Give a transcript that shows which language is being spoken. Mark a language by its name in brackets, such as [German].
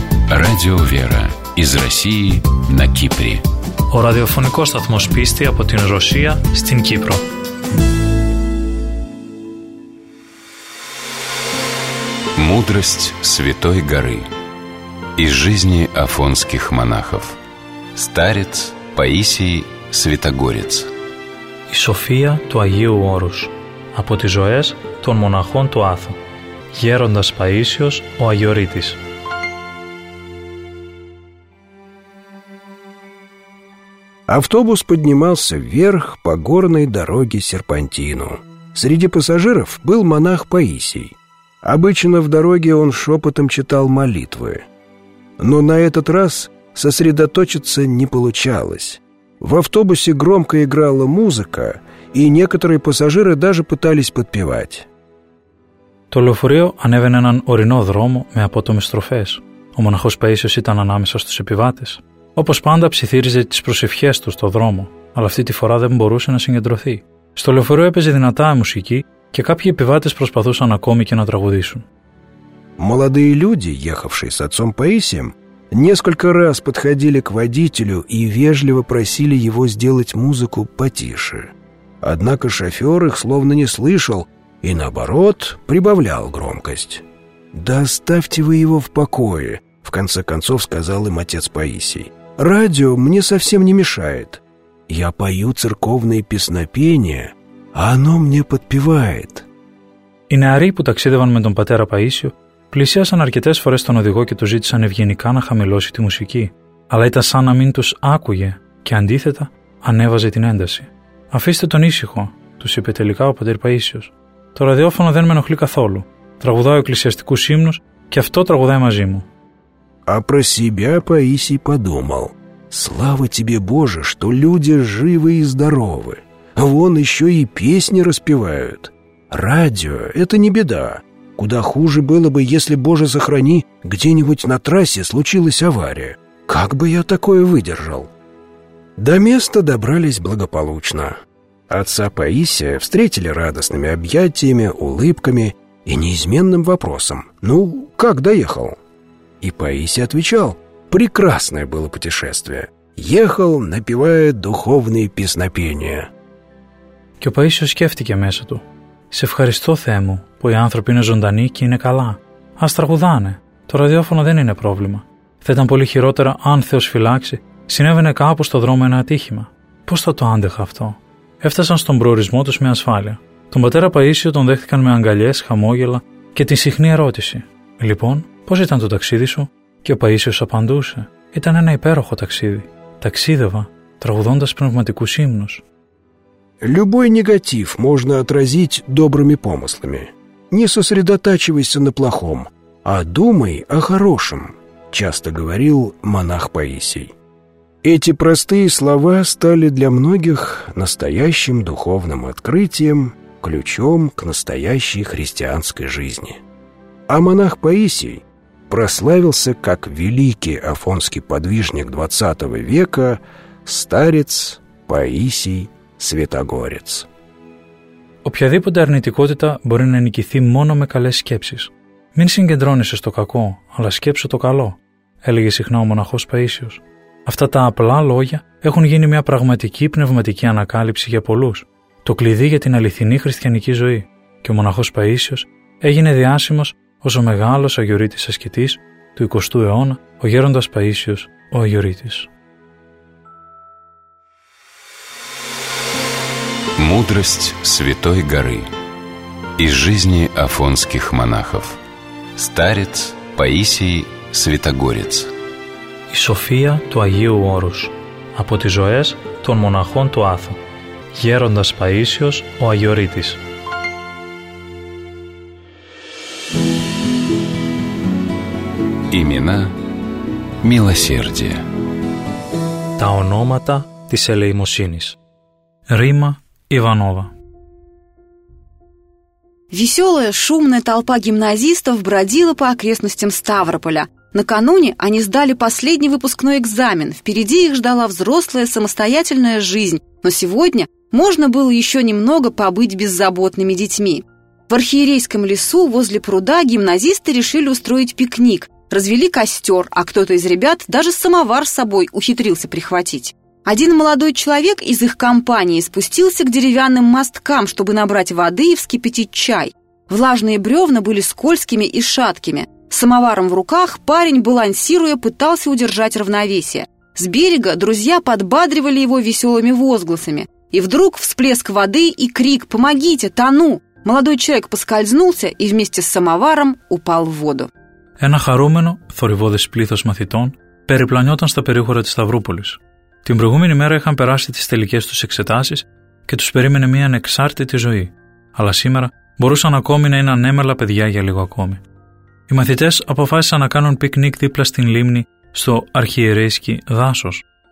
[Russian] Radio Vera, из России на Кипре. [Greek] Ο ραδιοφωνικός σταθμός πίστη από την Ρωσία στην Κύπρο. [Russian] Мудрость Святой Горы. Из жизни афонских монахов. Старец Паисий Святогорец. [Greek] Η σοφία του Αγίου Όρους. Από τις ζωές των μοναχών του Άθου. Γέροντας Παΐσιος ο Αγιορείτης. [Russian] Автобус поднимался вверх по горной дороге Серпантину. Среди пассажиров был монах Паисий. Обычно в дороге он шепотом читал молитвы. Но на этот раз сосредоточиться не получалось. В автобусе громко играла музыка, и некоторые пассажиры даже пытались подпевать. [Greek] Το λεωφορείο ανέβαινε έναν ορεινό δρόμο με απότομες στροφές. Ο μοναχός Παΐσιος ήταν ανάμεσα στους επιβάτες. Όπως πάντα ψιθύριζε τις προσευχές του στο δρόμο, αλλά αυτή τη φορά δεν μπορούσε να συγκεντρωθεί. Στο λεωφορείο έπαιζε δυνατά μουσική και κάποιοι επιβάτες προσπαθούσαν ακόμη και να τραγουδήσουν. [Russian] Молодые люди, ехавшие с отцом Паисием, несколько раз подходили к водителю и вежливо просили его сделать музыку потише. Однако шофер их словно не слышал и, наоборот, прибавлял громкость. «Да оставьте вы его в покое», в конце концов сказал им отец Паисий. «Радио мне совсем не мешает. Я пою церковные песнопения, а оно мне подпевает». [Greek] Οι νεαροί που ταξίδευαν με τον πατέρα Παΐσιο πλησίασαν αρκετές φορές τον οδηγό και του ζήτησαν ευγενικά να χαμηλώσει τη μουσική. Αλλά ήταν σαν να μην τους άκουγε και αντίθετα ανέβαζε την ένταση. «Αφήστε τον ήσυχο», τους είπε τελικά ο πατήρ Παΐσιος. Το ραδιόφωνο δεν με ενοχλεί καθόλου. Τραγουδάω εκκλησιαστικούς ύμνους και αυτό τραγουδάει μαζί μου. [Russian] А про себя Паисий подумал. Слава тебе, Боже, что люди живы и здоровы. Вон еще и песни распевают. Радио – это не беда. Куда хуже было бы, если, Боже, сохрани, где-нибудь на трассе случилась авария. Как бы я такое выдержал? До места добрались благополучно. Отца Паисия встретили радостными объятиями, улыбками и неизменным вопросом. Ну, как доехал? И Паисий отвечал, прекрасное было путешествие. Ехал, напевая духовные песнопения. [Greek] Και ο Παΐσιος σκέφτηκε μέσα του. «Σε ευχαριστώ, Θεέ μου, που οι άνθρωποι είναι ζωντανοί και είναι καλά. Ας τραγουδάνε. Το ραδιόφωνο δεν είναι πρόβλημα. Θα ήταν πολύ χειρότερα αν Θεός φυλάξει, συνέβαινε κάπου στο δρόμο ένα ατύχημα. Πώς θα το άντεχα αυτό?» Έφτασαν στον προορισμό τους με ασφάλεια. Τον πατέρα Παΐσιο τον δέχτηκαν με αγκαλιές, χαμόγελα και την συχνή ερώτηση. «Λοιπόν, πώς ήταν το ταξίδι σου?» Και ο Παΐσιος απαντούσε. «Ήταν ένα υπέροχο ταξίδι. Ταξίδευα, τραγουδώντας πνευματικούς ύμνους». [Russian] Любой негатив можно отразить добрыми помыслами. Не сосредотачивайся на плохом, а думай о хорошем, часто говорил монах Паисий. Эти простые слова стали для многих настоящим духовным открытием, ключом к настоящей христианской жизни. А монах Паисий прославился как великий афонский подвижник XX века, старец Паисий Святогорец. [Greek] Οποιαδήποτε αρνητικότητα μπορεί να νικηθεί μόνο με καλές σκέψεις. Μην συγκεντρώνεσαι στο κακό, αλλά σκέψου το καλό, έλεγε συχνά ο μοναχός Παΐσιος. Αυτά τα απλά λόγια έχουν γίνει μια πραγματική πνευματική ανακάλυψη για πολλούς, το κλειδί για την αληθινή χριστιανική ζωή, και ο μοναχός Παΐσιος έγινε διάσημος ως ο μεγάλος αγιορείτης ασκητής του 20ου αιώνα, ο γέροντας Παΐσιος ο Αγιορείτης. [Russian] Мудрость Святой Горы. Из жизни афонских монахов. Старец Паисий Святогорец. [Greek] Η σοφία του Αγίου Όρους. Από τις ζωές των μοναχών του Άθου. Γέροντας Παΐσιος ο Αγιορείτης. [Russian] Имена милосердия. [Greek] Τα ονόματα της ελεημοσύνης. Ρήμα Иванова. [Russian] Веселая, шумная толпа гимназистов бродила по окрестностям Ставрополя. Накануне они сдали последний выпускной экзамен. Впереди их ждала взрослая самостоятельная жизнь. Но сегодня можно было еще немного побыть беззаботными детьми. В архиерейском лесу возле пруда гимназисты решили устроить пикник. Развели костер, а кто-то из ребят даже самовар с собой ухитрился прихватить. Один молодой человек из их компании спустился к деревянным мосткам, чтобы набрать воды и вскипятить чай. Влажные бревна были скользкими и шаткими. С самоваром в руках парень, балансируя, пытался удержать равновесие. С берега друзья подбадривали его веселыми возгласами. И вдруг всплеск воды и крик «Помогите! Тону!» Молодой человек поскользнулся и вместе с самоваром упал в воду. [Greek] Ένα χαρούμενο, θορυβώδες πλήθος μαθητών, περιπλανιόταν στα περίχωρα της Σταυρούπολης. Την προηγούμενη μέρα είχαν περάσει τις τελικές τους εξετάσεις και τους περίμενε μια ανεξάρτητη ζωή. Αλλά σήμερα μπορούσαν ακόμη να είναι ανέμελα παιδιά για λίγο ακόμη. Οι μαθητές αποφάσισαν να κάνουν πικνίκ δίπλα στην λίμνη στο αρχιερέσκι δάσος.